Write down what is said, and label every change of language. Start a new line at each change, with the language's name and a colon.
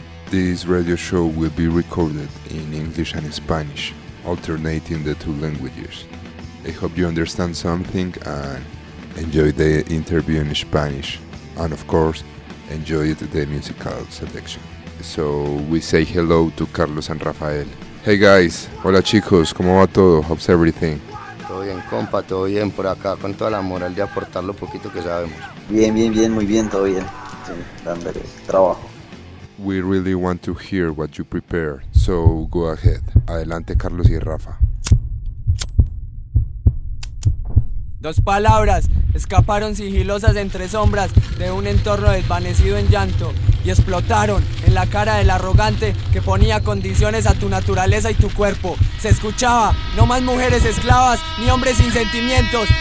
English: This radio show will be recorded in English and Spanish, alternating the two languages. I hope you understand something and enjoy the interview in Spanish, and of course, enjoy the musical selection. So, we say hello to Carlos and Rafael. Hey guys,
Spanish: hola chicos, ¿cómo va todo?
English: How's everything?
Spanish: Todo bien, compa, todo bien por acá, con toda la moral de aportar lo poquito que sabemos. Bien, bien, bien, muy bien, todo bien. Sí, dándole trabajo.
English: We really want to hear what you prepare, so go ahead.
Spanish: Adelante, Carlos y Rafa. Dos palabras escaparon sigilosas entre sombras de un entorno desvanecido en llanto. y explotaron en la cara del arrogante que ponía condiciones a tu naturaleza y tu cuerpo. Se escuchaba, no más mujeres esclavas ni hombres sin sentimientos.